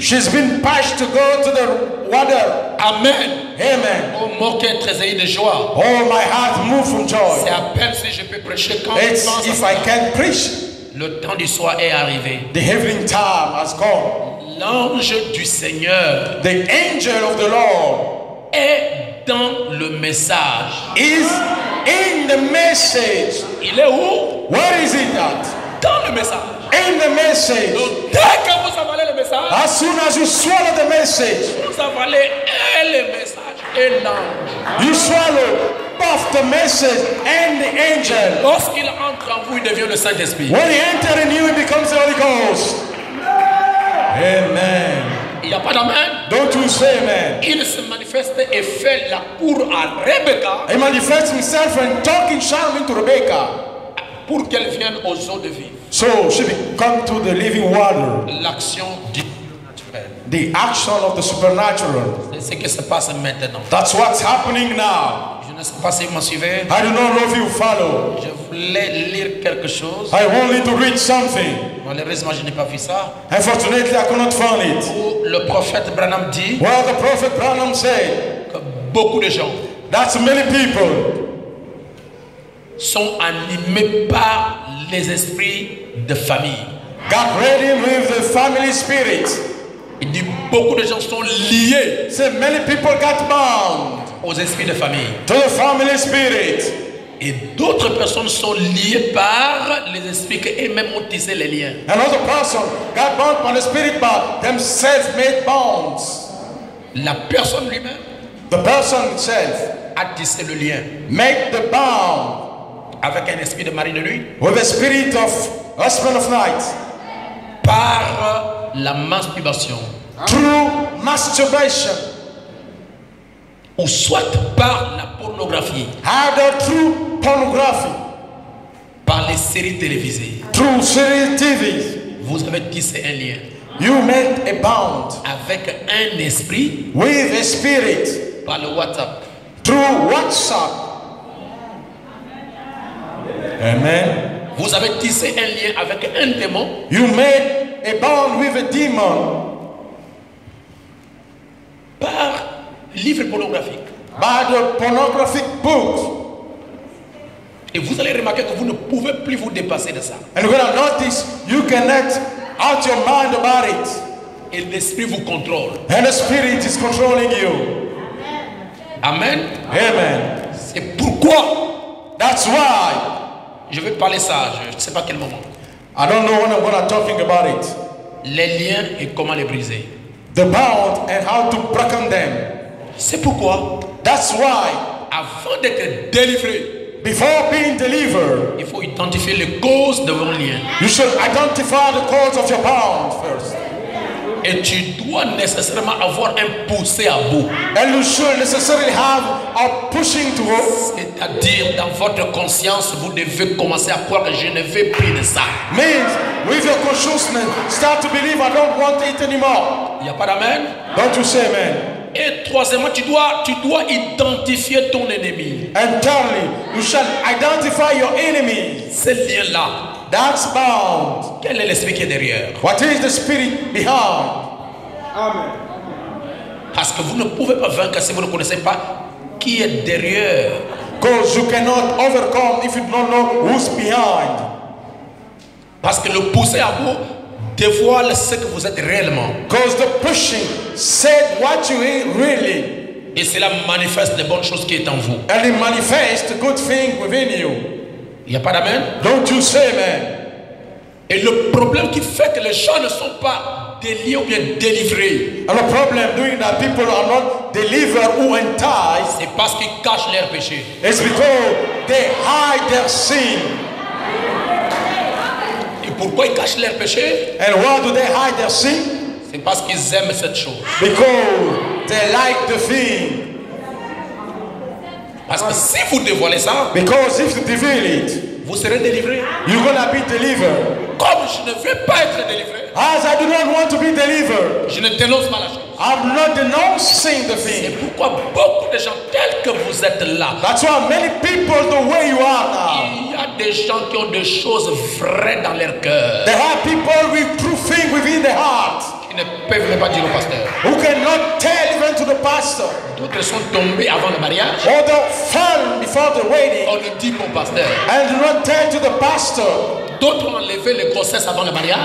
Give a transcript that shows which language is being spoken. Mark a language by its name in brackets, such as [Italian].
[English] She's been pushed to go to the water. Amen. Amen. [French] Oh, mon cœur tressaille de joie. [English] Oh, my heart move from joy. [French] C'est à peine si je peux prêcher quand [English] it's [French] je pense [English] if [French] à [English] I can preach. [French] Le temps du soir est arrivé. [English] The evening time has come. [French] L'ange du Seigneur. [English] The angel of the Lord. [French] Est dans le message. [English] Is in the message. [French] Il est où? [English] Where is it at? [French] Dans le message. [English] In the message. [French] Dès que vous avalez le message. [English] As soon as you swallow the message. [French] Vous avalez et le message et l'ange. [English] You swallow both the message and the angel. [French] Lorsqu'il entre en vous, il devient le Saint-Esprit. [English] When he enters in you, he becomes the Holy Ghost. Amen. [French] Il n'y a pas d'amen. [English] Don't you say amen. [French] Il se manifeste et fait la cour à Rebecca. [English] He manifests himself and talking charm into Rebecca. [French] Pour qu'elle vienne aux eaux de vie. [English] So she become to the living water. [French] L'action du naturel. [English] The action of the supernatural. [French] C'est ce qui se passe maintenant. [English] That's what's happening now. [French] Je ne sais pas si vous me suivez. [English] I do not know if you follow. [French] Je voulais lire quelque chose. [English] I wanted to read something. [French] Malheureusement, je n'ai pas vu ça. [English] Unfortunately, I cannot find it. [French] Où le prophète Branham dit. [English] Where the prophet Branham said. [French] Que beaucoup de gens. [English] That's many people. [French] Sont animés par les esprits de famille. [English] God ready with the family spirit. [French] Il dit beaucoup de gens sont liés. [English] Say many people got bound. [French] Aux esprits de famille. [English] To the family spirit. [French] Et d'autres personnes sont liées par les esprits que eux-mêmes ont tissé les liens. [English] Another person got bound by the spirit but themselves made bonds. [French] La personne lui-même. [English] The person itself. [French] A tissé le lien. [English] Make the bond. [French] Avec un esprit de mari de lui. [English] With the spirit of husband of night. [French] Par la masturbation. [English] Through masturbation. [French] Ou soit par la pornographie. [English] Either through pornography. [French] Par les séries télévisées. [English] Through series TV. [French] Vous avez tissé un lien. [English] You made a bond. [French] Avec un esprit. [English] With a spirit. [French] Par le WhatsApp. [English] Through WhatsApp. Amen. [French] Vous avez tissé un lien avec un démon. [English] You made a bond with a demon. [French] Par livre pornographique. [English] By the pornographic book. [French] Et vous allez remarquer que vous ne pouvez plus vous dépasser de ça. [English] And you're going to notice you cannot out your mind about it. [French] Et l'esprit vous contrôle. [English] And the spirit is controlling you. Amen. Amen. Amen. [French] C'est pourquoi. [English] That's why. [French] Je vais parler ça, je ne sais pas quel moment. [English] I don't know when I'm going to talking about it. [French] Les liens et comment les briser. [English] The bound and how to break them. [French] C'est pourquoi. [English] That's why. [French] Avant d'être délivré. [English] Before being delivered. [French] Il faut identifier les causes de vos liens. [English] You should identify the cause of your bound first. [French] Et tu dois nécessairement avoir un poussé à bout. [English] And you should necessarily have a pushing to work. [French] C'est-à-dire dans votre conscience, vous devez commencer à croire que je ne veux plus de ça. [English] Means with your consciousness, start to believe I don't want it anymore. [French] Il y a pas d'amen? [English] Don't you say amen? [French] Et troisièmement, tu dois identifier ton ennemi. [English] And thirdly, you shall identify your enemy. [French] Ce lien-là. [English] That's bound. [French] Quel est l'esprit qui est derrière? [English] What is the spirit behind? Amen. [French] Parce que vous ne pouvez pas vaincre si vous ne connaissez pas qui est derrière. [English] Because you cannot overcome if you don't know who's behind. [French] Parce que le pousser à bout dévoile ce que vous êtes réellement. [English] Because the pushing said what you are really. [French] Et cela manifeste les bonnes choses qui est en vous. [English] And it manifests good things within you. [French] Il n'y a pas d'amen. [English] Don't you say amen. [French] Et le problème qui fait que les gens ne sont pas déliés ou bien délivrés. [English] And the problem doing that people are not delivered or enticed. [French] C'est parce qu'ils cachent leur péché. [English] It's because they hide their sin. [French] Et pourquoi ils cachent leur péché? [English] And why do they hide their sin? [French] C'est parce qu'ils aiment cette chose. [English] Because they like the thing. [French] Parce que si vous dévoilez ça, [English] because if you reveal it, [French] vous serez délivré. [English] You're gonna be delivered. [French] Comme je ne veux pas être délivré. [English] As I do not want to be delivered. [French] Je ne dénonce pas la chose. [English] I'm not denouncing the thing. [French] C'est pourquoi beaucoup de gens tels que vous êtes là. [English] That's why many people the way you are now. [French] Il y a des gens qui ont des choses vraies dans leur cœur. [English] There are people with true things within their heart. [French] Ils ne peuvent même pas dire au pasteur. [English] Who cannot tell even to the pastor. [French] D'autres sont tombés avant le mariage. [English] Other fell before the wedding. [French] On ne dit pas au pasteur. [English] And do not tell to the pastor. [French] D'autres ont enlevé les grossesses avant le mariage.